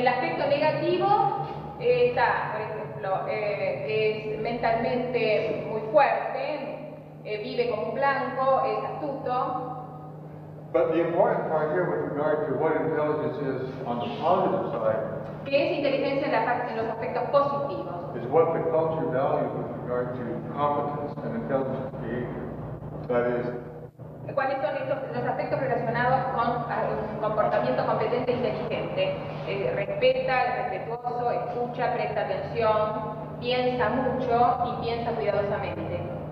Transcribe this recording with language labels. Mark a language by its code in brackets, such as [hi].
[es] El aspecto negativo está, por ejemplo, es mentalmente muy fuerte, vive como un blanco, es astuto. [en] But the important part here with regard to what intelligence is on the positive side, [es] ¿qué es inteligencia en la parte, en los aspectos positivos? [en] Is what the culture values with regard to competence and intelligent behavior. That is, [es] ¿cuáles son los aspectos relacionados con comportamiento competente e inteligente? Respeta, respetuoso, escucha, presta atención, piensa mucho y piensa cuidadosamente.